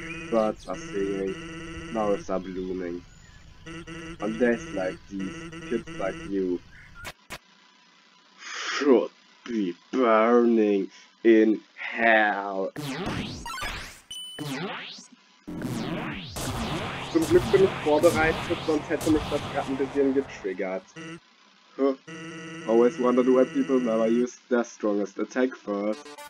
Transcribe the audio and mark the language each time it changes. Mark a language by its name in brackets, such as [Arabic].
[English] Birds are singing, flowers are blooming. On days like these, kids like you should be burning in hell. [German] Zum Glück bin ich vorbereitet, sonst hätte mich das gerade ein bisschen getriggert. Huh. [English] Always wondered why people never use their strongest attack first.